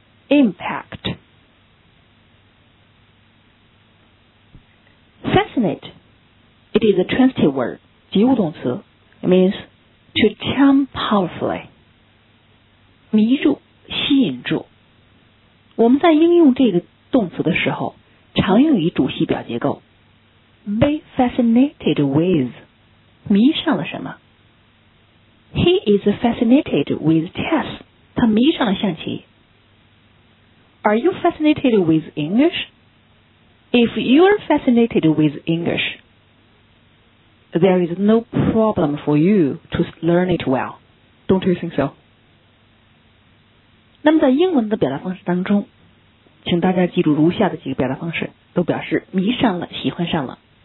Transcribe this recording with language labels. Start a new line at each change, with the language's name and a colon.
English: Impact. Fascinate. It is a transitive word.
Chinese: 及物动词。
English: It means to charm powerfully.
Chinese: 迷住，吸引住。我们在应用这个动词的时候，常用于主系表结构。
English: Be fascinated with.
Chinese: 迷上了什么？
English: He is fascinated with chess.
Chinese: 他迷上了象棋。
English: Are you fascinated with English? If you are fascinated with English, there is no problem for you to learn it well. Don't you think so?
Chinese: 那么在英文的表达方式当中，请大家记住如下的几个表达方式，都表示迷上了，喜欢上了。